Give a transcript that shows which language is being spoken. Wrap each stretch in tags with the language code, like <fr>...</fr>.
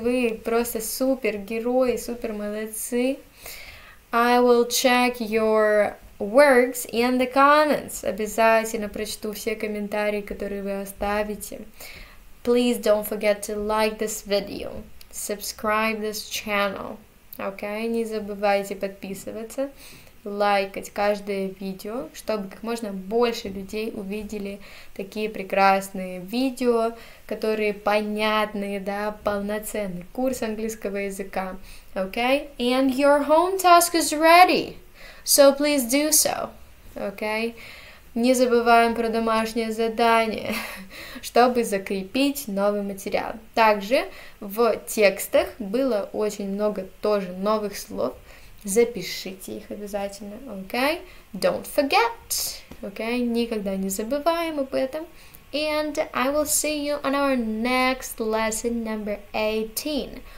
<ru>Вы просто супергерои, супер молодцы.</ru> <en>I will check your works in the comments.</en> <ru>Обязательно прочту все комментарии, которые вы оставите.</ru> <en>Please don't forget to like this video. Subscribe this channel. Okay?</en> <ru>Не забывайте подписываться, лайкать каждое видео, чтобы как можно больше людей увидели такие прекрасные видео, которые понятны, да, полноценный курс английского языка.</ru> <en>Okay? And your home task is ready. So please do so. Okay?</en> <ru>Не забываем про домашнее задание, чтобы закрепить новый материал. Также в текстах было очень много тоже новых слов. Запишите их обязательно, okay?</ru> <en>Don't forget, okay?</en> <ru>Никогда не забываем об этом.</ru> <en>And I will see you on our next lesson number 18.</en>